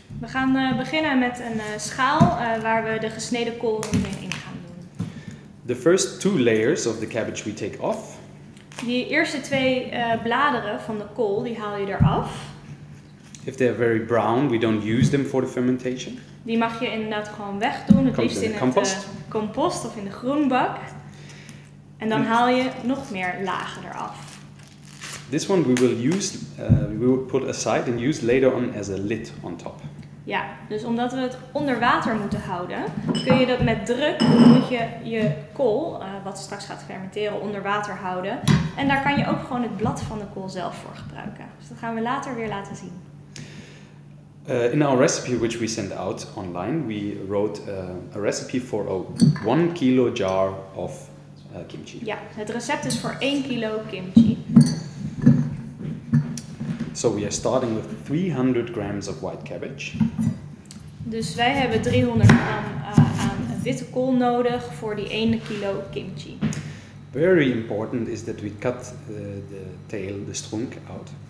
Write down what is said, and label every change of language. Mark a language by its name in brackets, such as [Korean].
[Dutch] We gaan beginnen met een schaal waar we de gesneden kool in gaan doen. [English] The first two layers of the cabbage we take off. [Dutch] Die eerste twee bladeren van de kool, die haal je eraf. [English] If they are very brown, we don't use them for the fermentation. [Dutch] Die mag je inderdaad gewoon wegdoen, het liefst in compost. Compost of in de groenbak. En dan haal je nog meer lagen eraf. [English] This one we will use, we will put aside and use later on as a lid on top. [Dutch] Ja, dus omdat we het onder water moeten houden, kun je dat met druk, moet je je kool, wat straks gaat fermenteren, onder water houden. En daar kan je ook gewoon het blad van de kool zelf voor gebruiken. Dus dat gaan we later weer laten zien. [English] In our recipe which we send out online, we wrote a recipe for a 1 kilo jar of kimchi. [Dutch] Ja, het recept is voor 1 kilo kimchi. [English] So we are starting with 300 grams of white cabbage. [Dutch] Dus wij hebben 300 gram aan witte kool nodig voor die 1 kilo kimchi. [English] Very important is that we cut the tail, the stronk out.